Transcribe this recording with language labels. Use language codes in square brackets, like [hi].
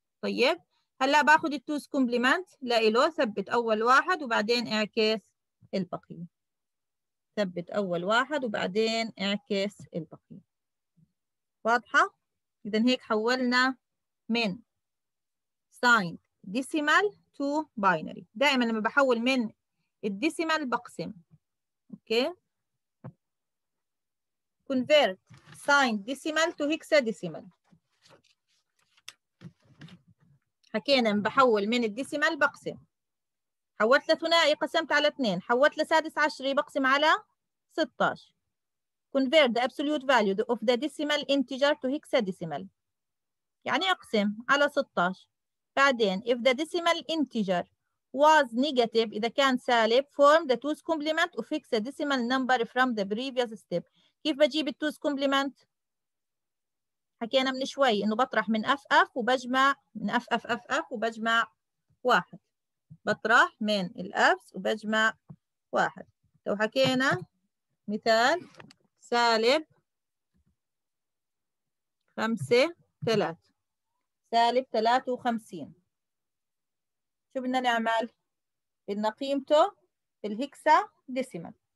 [ar] طيب هلا باخذ التوز كومبلمنت لإله، ثبت أول واحد وبعدين اعكس البقية. ثبت أول واحد وبعدين اعكس البقية. واضحة؟ إذا هيك حولنا من [en] signed decimal to binary. [ar] دائما لما بحول من الديسيمال بقسم. [en] Okay? convert signed decimal to hexadecimal. [ar] حكينا لما بحول من الديسيمال بقسم. حولت لثنائي قسمت على 2، حولت لسادس عشري بقسم على 16. [en] Convert the absolute value of the decimal integer to hexadecimal. [ar] يعني اقسم على 16. بعدين [en] if the decimal integer was negative [ar] إذا كان سالب [en] form the two's complement of hexadecimal number from the previous step. [ar] كيف بجيب the two's complement؟ حكينا من شوي إنه بطرح من FF وبجمع من FFFF وبجمع 1. بطرح من الأبس وبجمع 1. لو حكينا مثال سالب 5 3، سالب 53 شو بدنا نعمل؟ بدنا قيمته في الهكسا ديسيمال.